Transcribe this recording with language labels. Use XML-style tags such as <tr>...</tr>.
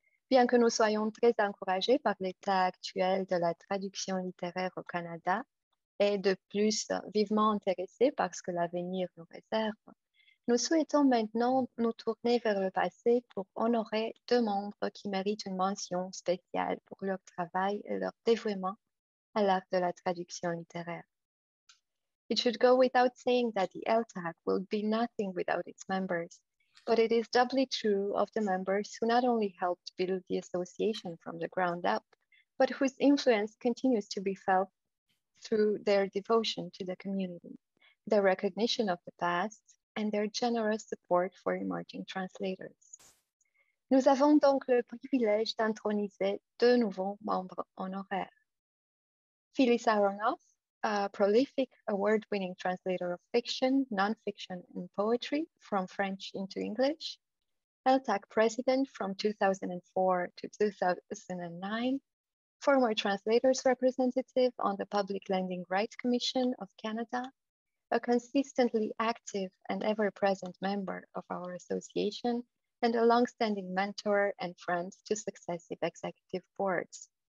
<fr>Bien que nous soyons très encouragés par l'état actuel de la traduction littéraire au Canada et de plus vivement intéressés par ce que l'avenir nous réserve, nous souhaitons maintenant nous tourner vers le passé pour honorer deux membres qui méritent une mention spéciale pour leur travail et leur dévouement à l'art de la traduction littéraire.</fr> <en>It should go without saying that the LTAC will be nothing without its members, but it is doubly true of the members who not only helped build the association from the ground up, but whose influence continues to be felt through their devotion to the community, their recognition of the past, and their generous support for emerging translators.</en> <fr>Nous avons donc le privilège d'introniser deux nouveaux membres honoraires.</fr> <en>Phyllis Aronoff, a prolific award-winning translator of fiction, nonfiction, and poetry from French into English, LTAC president from 2004 to 2009, former translator's representative on the Public Lending Rights Commission of Canada, a consistently active and ever-present member of our association, and a long-standing mentor and friend to successive executive boards.</en>